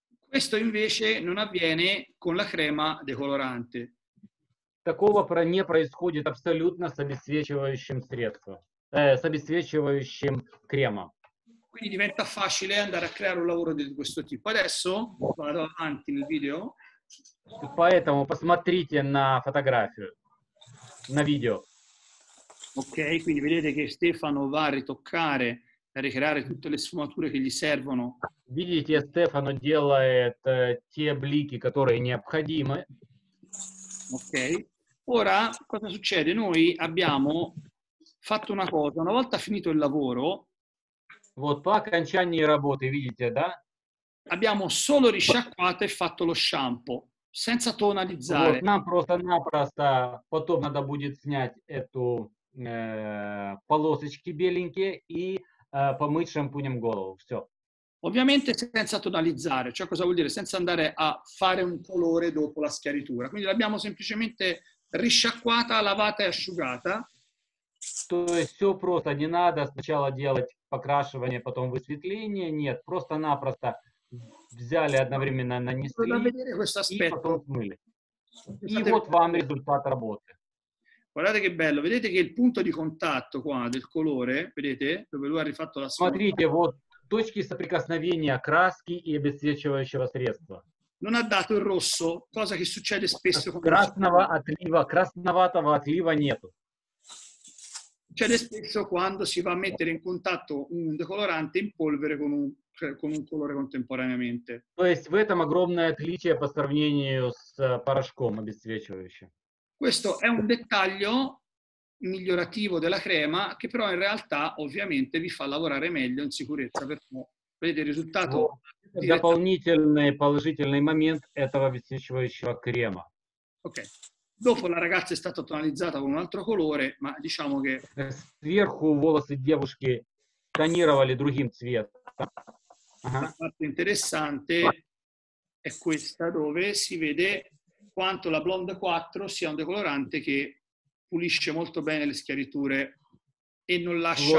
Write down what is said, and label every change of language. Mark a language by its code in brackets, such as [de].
[it] Questo invece non avviene con la crema decolorante. [ru] Такого не происходит абсолютно с обесцвечивающим средством. С обесцвечивающим кремом. [it] Quindi diventa facile andare a creare un lavoro di questo tipo. Adesso vado avanti nel video. [ru] Поэтому посмотрите на фотографию, на видео. [it] Ok, quindi vedete che Stefano va a ritoccare, a ricreare tutte le sfumature che gli servono. [ru] Видите, Стефано делает те блики, которые необходимы. [it] Ok. Ora, cosa succede? Noi abbiamo fatto una cosa, una volta finito il lavoro, [ru] вот по окончании работы, видите, да? [it] Abbiamo solo risciacquato e fatto lo shampoo, senza tonalizzare. [ru] Вот нам просто-напросто потом надо будет снять эту полосочки беленькие и помыть шампунем голову, все. [it] Ovviamente senza tonalizzare, cioè cosa vuol dire? Senza andare a fare un colore dopo la schiaritura. Quindi l'abbiamo semplicemente risciacquata, lavata e asciugata. [ru] То есть все просто, не надо сначала делать покрашивание, потом высветление, нет, просто-напросто взяли одновременно, нанесли и потом смыли. И вот вам результат работы. [it] Guardate che bello, vedete che il punto di contatto qua del colore, vedete, dove lui ha rifatto la [ru] sfumatura, вот точки соприкосновения краски и обесцвечивающего средства. [it] Non ha dato il rosso, cosa che succede spesso. [ru] Красного отлива, красноватого отлива нету. [it] succede spesso quando si va a mettere in contatto un decolorante in polvere con un colore contemporaneamente. [ru] То есть в этом огромное отличие по сравнению с порошком обесцвечивающим. [it] Questo è un dettaglio migliorativo della crema che però in realtà ovviamente vi fa lavorare meglio in sicurezza, perché vedete il risultato. [ru] Дополнительный положительный момент этого обесцвечивающего крема. Ok. [it] Dopo la ragazza è stata tonalizzata con un altro colore, ma diciamo che [ru] сверху волосы девушки тонировали другим цветом. [it] La parte interessante è questa, dove si vede quanto la Blonde 4 sia un decolorante che pulisce molto bene le schiariture e non lascia.